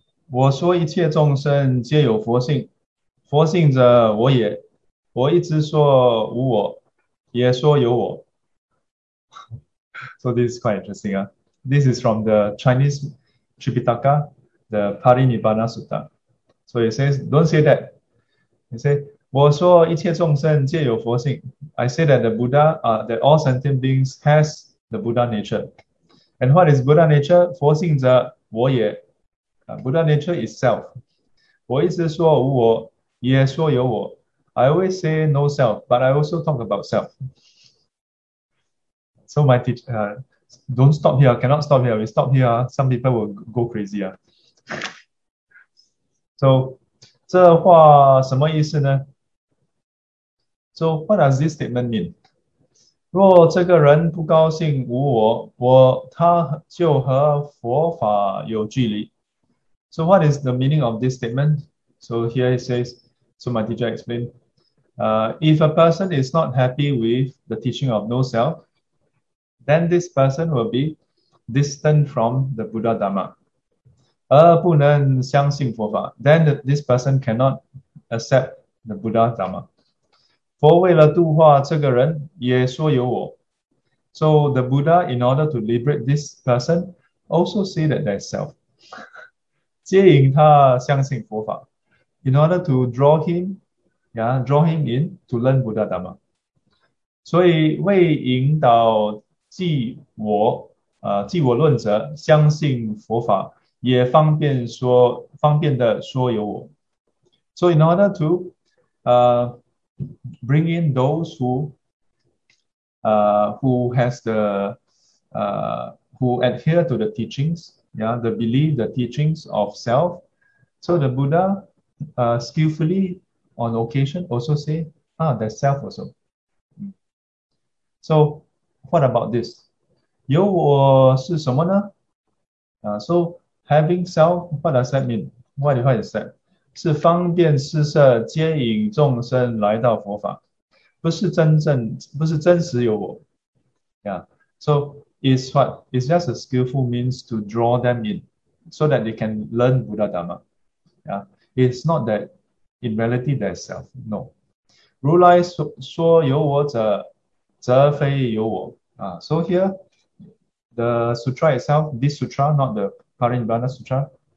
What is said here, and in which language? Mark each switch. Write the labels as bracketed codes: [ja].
[zh] 我说一切众生皆有佛性，佛性者我也。我一直说无我，也说有我。 [en] So this is quite interesting. This is from the Chinese Tripitaka, the Parinibbana Sutta. So it says, Don't say that. He said, [zh] 我说一切众生皆有佛性。 [en] I say that the Buddha, that all sentient beings has the Buddha nature. And what is Buddha nature? [zh] 佛性者我也。 [en] Buddha nature is self. [zh] 我一直说无我，也说有我。 [en] I always say no self, but I also talk about self. So my teacher, don't stop here. Cannot stop here. We stop here, some people will go crazy. So [zh] 这话什么意思呢？ [en] So what does this statement mean? [zh] 若这个人不高兴无我，他就和佛法有距离。 [en] So what is the meaning of this statement? So here it says, so my teacher explained, if a person is not happy with the teaching of no self, then this person will be distant from the Buddha Dhamma. [zh] 而不能相信佛法, [en] then this person cannot accept the Buddha Dhamma. [zh] 佛为了度化这个人，也说有我。 [en] So the Buddha, in order to liberate this person, also say that there is self. [zh] 接引他相信佛法， [en] in order to draw him in to learn Buddha Dhamma. [zh] 所以为引导即我论者相信佛法，也方便的说有我。 [en] So in order to, bring in those who has the who adhere to the teachings, yeah, the belief, the teachings of self. So the Buddha skillfully on occasion also say, there's self also. So what about this? [zh] 有我是什么呢？ [en] So having self, what does that mean? What is that? [zh] 是方便施舍接引众生来到佛法，不是真实有我呀。 [en] So it's what? It's just a skillful means to draw them in, so that they can learn Buddha Dhamma. Yeah, it's not that In reality, thyself, no. [zh] 如来说有我者，则非有我啊。 [en] So here, the sutra itself, this sutra, not the Parinibbana Sutra.